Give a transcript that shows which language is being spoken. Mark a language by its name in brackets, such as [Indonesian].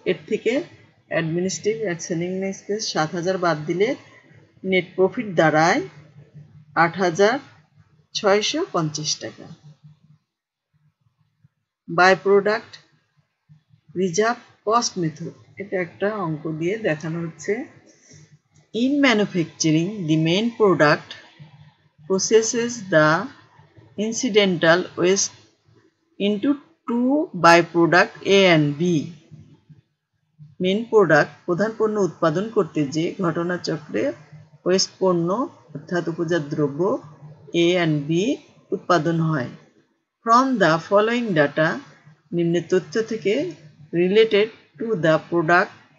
[Bangla] এর থেকে administrative and selling expense 7000 বাদ দিলে নেট প্রফিট দাঁড়ায় 8650 টাকা। By product reserve cost method, এটা একটা অঙ্ক দিয়ে দেখানো হচ্ছে। [English] In manufacturing, the main product processes the incidental waste into two byproduct A and B. [Bangla] Main product প্রধান পণ্য উৎপাদন করতে যে ঘটনা চক্রে waste পণ্য অর্থাৎ উপজাত দ্রব্য A and B উৎপাদন হয়। [English] From the following data, [Bangla] নিম্ন তথ্য থেকে [English] related to the product